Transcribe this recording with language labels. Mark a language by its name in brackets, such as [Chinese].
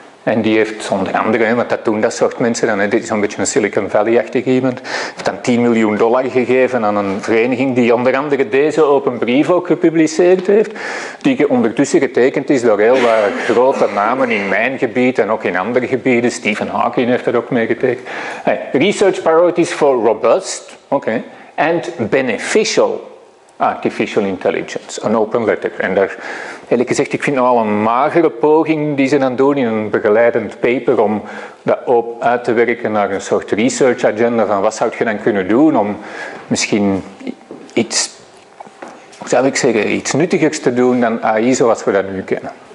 [Dutch] En die heeft onder andere, want dat doen dat soort mensen, dan, dit is een beetje een Silicon Valley-achtig iemand, heeft dan $10 miljoen gegeven aan een vereniging die onder andere deze open brief ook gepubliceerd heeft, die ondertussen getekend is door heel wat grote namen in mijn gebied en ook in andere gebieden. Stephen Hawking heeft dat ook meegetekend. [English] Hey, research priorities for robust, okay, and beneficial artificial intelligence, an open letter. [Dutch] En daar, eerlijk gezegd, ik vind het al een magere poging die ze dan doen in een begeleidend paper om dat op uit te werken naar een soort research agenda van wat zou je dan kunnen doen om misschien iets, hoe zou ik zeggen, iets nuttigers te doen dan AI zoals we dat nu kennen.